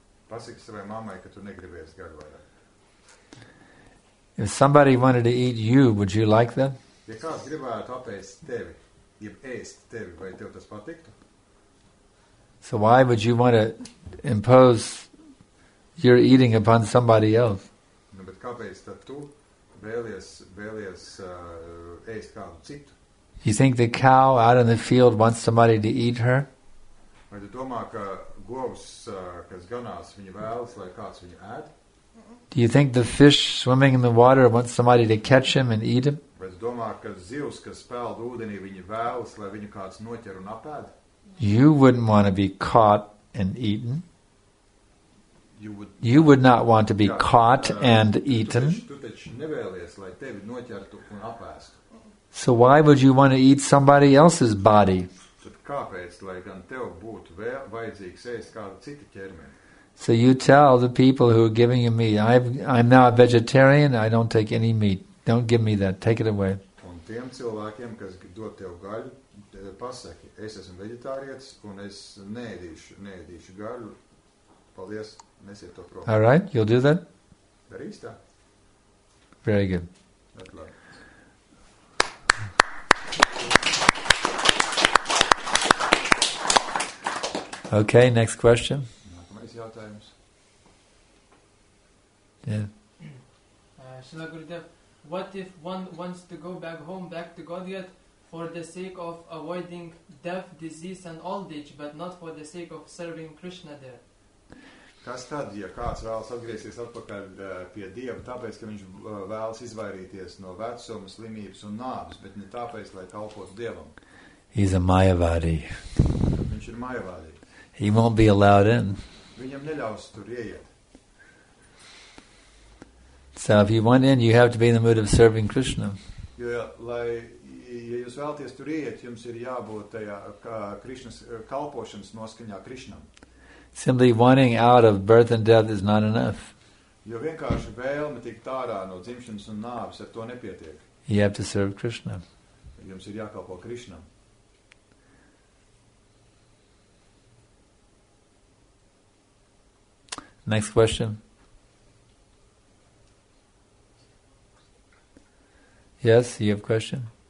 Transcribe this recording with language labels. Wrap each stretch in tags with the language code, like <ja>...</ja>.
<lv>Pasaki savai mammai, ka tu negribēsi garu vairāk.</lv> <en>If somebody wanted to eat you, would you like that?</en> <lv>Ja kāds gribētu apēst tevi, jeb ēst tevi, vai tev tas patiktu?</lv> <en>So why would you want to impose your eating upon somebody else?</en> <lv>Nu, bet kāpēc tad tu vēlies ēst kādu citu?</lv> <en>You think the cow out in the field wants somebody to eat her?</en> <lv>Vai tu domā, ka govs, kas ganās, viņa vēlas, lai kāds viņu ēd?</lv> <en>Do you think the fish swimming in the water wants somebody to catch him and eat him?</en> <lv>Vai tu domā, ka zivs, kas peld ūdenī, viņa vēlas, lai viņu kāds noķer un apēd?</lv> <en>You wouldn't want to be caught and eaten. You would not want to be caught and eaten.</en> <lv>Tu taču nevēlies, lai tevi noķertu un apēstu.</lv> <en>So why would you want to eat somebody else's body?</en> <lv>Kāpēc, lai gan tev būtu vajadzīgs ēst kādu citu ķermeni?</lv> <en>So you tell the people who are giving you meat, I'm now a vegetarian, I don't take any meat. Don't give me that, take it away.</en> <lv>Un tiem cilvēkiem, kas dod tev gaļu, pasaki, es esmu vegetārietis un es neēdīšu gaļu. Paldies, nesiet to prom.</lv> <en>All right, you'll do that?</en> <lv>Darīs tā.</lv> <en>Very good.</en> <lv>Atlāk.</lv> <en>Okay, next question. Srila Gurudev, what if one wants to go back home, back to Godhead, for the sake of avoiding death, disease and old age, but not for the sake of serving Krishna there?</en> <lv>Kas tad, ja kāds vēlas atgriezties atpakaļ pie Dieva, tāpēc, ka viņš vēlas izvairīties no vecuma, slimības un nāves, bet ne tāpēc, lai kalpotu Dievam?</lv> <en>He's a Mayavadi.</en> <lv>Viņš ir Mayavadi.</lv> <en>He won't be allowed in.</en> <lv>Viņam neļaus tur ieiet.</lv> <en>So if you want in, you have to be in the mood of serving Krishna.</en> <lv>Jo, lai, ja jūs vēlaties tur ieiet, jums ir jābūt tajā Krishnas kalpošanas noskaņā Krishnam.</lv> <en>Simply wanting out of birth and death is not enough.</en> <lv>Jo vienkārši vēlme tikt ārā no dzimšanas un nāves, ar to nepietiek.</lv> <en>You have to serve Krishna.</en> <lv>Jums ir jākalpo Krishnam.</lv> <en>Next question. Yes, you have a question?</en>